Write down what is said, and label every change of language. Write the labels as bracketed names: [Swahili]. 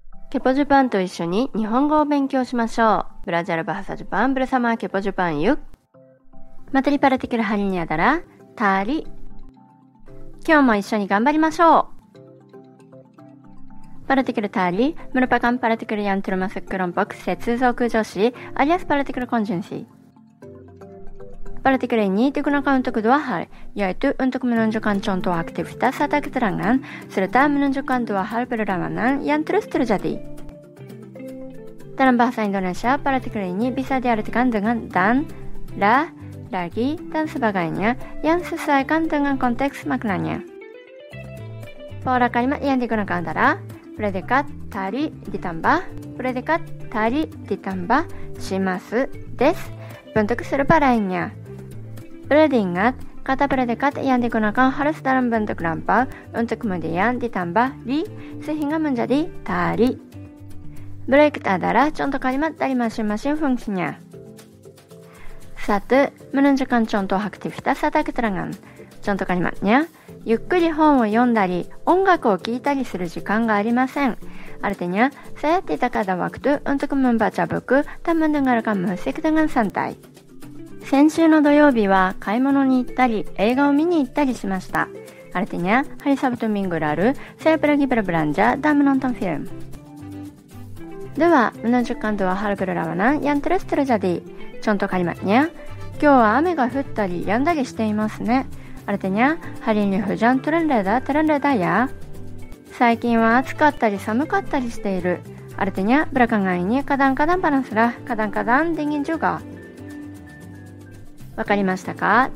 [Japanese] Kepo Jepangと 一緒に日本語を勉強しましょう。 [Indonesian] Belajar bahasa Jepang bersama Kepo Jepang yuk. Materi partikel hari ini adalah Tari. [Japanese] 今日も一緒に頑張りましょう。 [Indonesian] Partikel Tari merupakan partikel yang termasuk kelompok SETSUZOKUJOSHI alias partikel konjungsi. Partikel ini digunakan untuk dua hal, yaitu untuk menunjukkan contoh aktivitas atau keterangan, serta menunjukkan dua hal berlawanan yang terus terjadi. Dalam bahasa Indonesia, partikel ini bisa diartikan dengan dan, lah, lagi, dan sebagainya yang sesuaikan dengan konteks maknanya. Pola kalimat yang digunakan adalah predikat tari ditambah predikat tari ditambah shimasu desu bentuk serupa lainnya. Perlu diingat, kata predikat yang digunakan harus dalam bentuk lampau untuk kemudian ditambah li sehingga menjadi tari. Berikut adalah contoh kalimat dari masing-masing fungsinya. 1. Menunjukkan contoh aktivitas atau keterangan. Contoh kalimatnya, [Japanese] ゆっくり本を読んだり、音楽を聴いたりする時間がありません。 [Indonesian] Artinya, saya tidak ada waktu untuk membaca buku dan mendengarkan musik dengan santai. [Japanese] 先週の土曜日は買い物に行ったり、映画を見に行ったりしました。 [Indonesian] Artinya, hari Sabtu minggu lalu, saya pergi berbelanja dan menonton film. [Japanese] では、 [Indonesian] menunjukkan dua hal berlawanan yang terus terjadi. Contoh kalimatnya, [Japanese] 今日は雨が降ったり、止んだりしていますね。 [Indonesian] Artinya, hari ini hujan terendah-terendah ya. [Japanese] 最近は暑かったり寒かったりしている。 [Indonesian] Artinya, belakangan ini kadang-kadang panas lah, kadang-kadang dingin juga. [Japanese] わかりましたか?